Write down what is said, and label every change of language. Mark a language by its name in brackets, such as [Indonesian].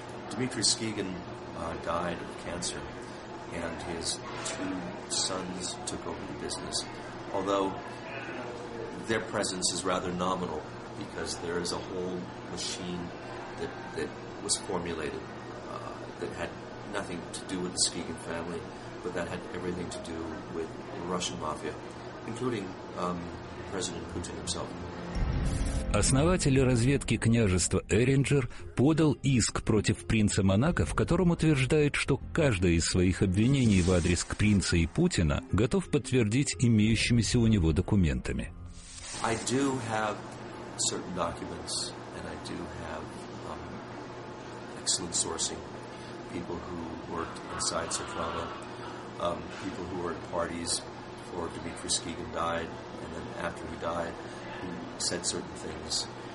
[English] Dmitry Skigin died of cancer, and his two sons took over the business, although their presence is rather nominal because there is a whole machine that was formulated that had nothing to do with the Skigin family, but that had everything to do with the Russian mafia, including President Putin himself. [Russian] Основатель разведки княжества Эрингер подал иск против принца Монако, в котором утверждает, что каждое из своих обвинений в адрес к принца и Путина готов подтвердить имеющимися у него документами. [English] I do have certain documents, and I do have excellent sourcing, people who worked inside Sotrama, people who were at parties before Dmitry Skigin died, and then after he died, who said certain things.